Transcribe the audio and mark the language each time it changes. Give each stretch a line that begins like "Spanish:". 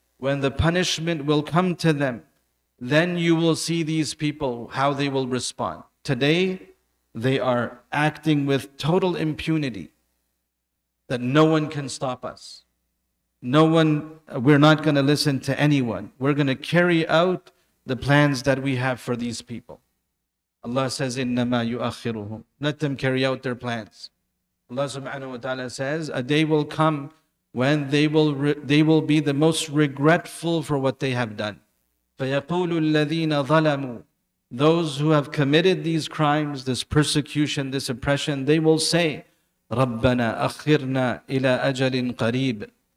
English: When the punishment will come to them, then you will see these people, how they will respond. Today, they are acting with total impunity, that no one can stop us. No one, we're not going to listen to anyone. We're going to carry out the plans that we have for these people. Allah says,
Arabic: إِنَّمَا يُؤَخِّرُهُمْ.
English: Let them carry out their plans. Allah subhanahu wa ta'ala says, a day will come when they will be the most regretful for what they have done.
Arabic: فَيَقُولُ الَّذِينَ ظَلَمُوا.
English: Those who have committed these crimes, this persecution, this oppression, they will say,
Arabic: رَبَّنَا أَخِّرْنَا إِلَىٰ أَجَلٍ قَرِيبٍ.